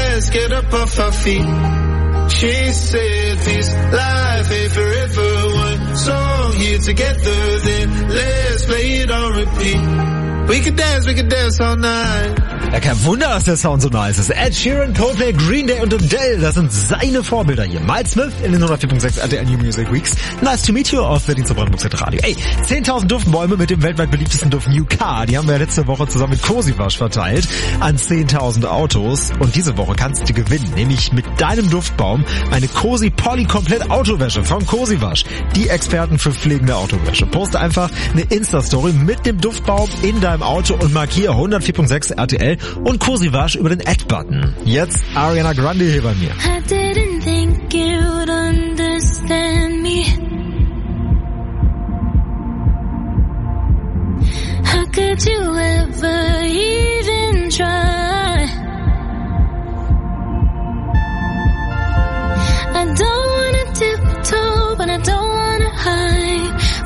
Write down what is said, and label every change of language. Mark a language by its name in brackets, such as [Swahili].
[English] Get up off our feet. She said, this life ain't forever. One song here together, then let's play it on repeat. We could dance all night. [German] Ja, kein Wunder, dass der Sound so nice ist. Ed Sheeran, Coldplay, Green Day und Adele, das sind seine Vorbilder hier. Miles Smith in den 104.6 RTL New Music Weeks. [English] Nice to meet you [German] auf Berlin zur Brandenburg Zentral Radio. Ey, 10.000 Duftbäume mit dem weltweit beliebtesten Duft New Car. Die haben wir ja letzte Woche zusammen mit Cozy Wash verteilt an 10.000 Autos. Und diese Woche kannst du gewinnen, nämlich mit deinem Duftbaum eine Cozy Poly Komplett Autowäsche von Cozy Wash. Die Experten für pflegende Autowäsche. Poste einfach eine Insta-Story mit dem Duftbaum in deinem Auto und markiere 104.6 RTL und Cozy Wash über den Ad-Button. Jetzt Ariana Grande hier bei mir. [English] I didn't think you would understand me. How could you ever even try? I don't wanna tiptoe, but I don't wanna hide.